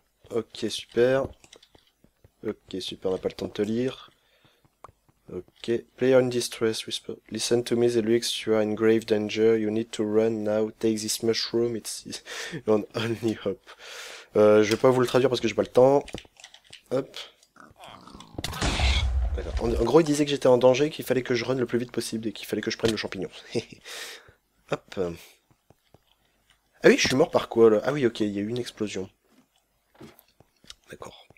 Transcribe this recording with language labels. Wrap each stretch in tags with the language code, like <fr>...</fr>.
<fr>Ok, super. Ok, super, on n'a pas le temps de te lire. Ok.</fr> <en>Player in distress, listen to me, the lyrics, you are in grave danger, you need to run now, take this mushroom, it's your only hope.</en> <fr>Je vais pas vous le traduire parce que j'ai pas le temps. Hop. En gros, il disait que j'étais en danger, qu'il fallait que je run le plus vite possible et qu'il fallait que je prenne le champignon. Hop. Ah oui, je suis mort par quoi là? Ah oui, ok, il y a eu une explosion. D'accord.</fr>